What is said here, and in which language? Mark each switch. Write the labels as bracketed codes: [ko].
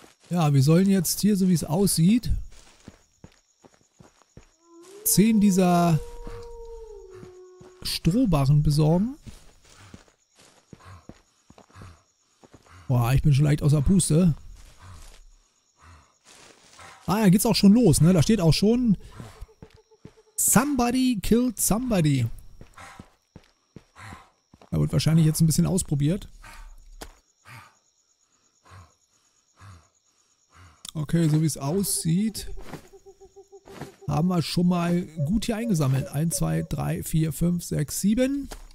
[de] Ja, wir sollen jetzt hier, so wie es aussieht, 10 dieser Strohbarren besorgen. Boah, ich bin schon leicht außer Puste. Ah ja, geht's auch schon los, ne? Da steht auch schon... [en] Somebody killed somebody. [de] Da wird wahrscheinlich jetzt ein bisschen ausprobiert. Okay, so wie es aussieht, haben wir schon mal gut hier eingesammelt. 1, 2, 3, 4, 5, 6, 7.